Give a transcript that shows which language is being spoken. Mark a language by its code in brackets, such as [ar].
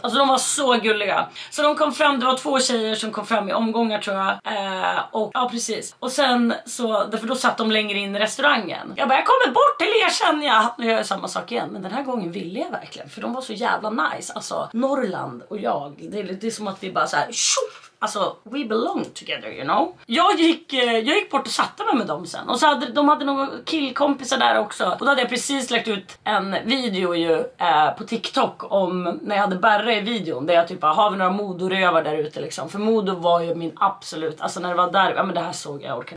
[sv] Alltså de var så gulliga. Så de kom fram, det var 2 tjejer som kom fram i omgångar tror jag. Och ja precis. Och sen så, för då satt de längre in i restaurangen. Jag bara, jag kommer bort till er känner jag. Nu gör jag samma sak igen, men den här gången ville jag verkligen. För de var så jävla nice, alltså Norrland och jag, det är som att vi bara så här, tjoff. [en] Alltså, we belong together, you know. [sv] Jag gick bort och satte mig med dem sen. Och så hade de hade några killkompisar där också. Och då hade jag precis lagt ut en video ju på TikTok om när jag hade Berra i videon. Där jag typ bara, har vi några modorövar där ute liksom. För Modo var ju min absolut, alltså när det var där, ja men det här såg jag orkar.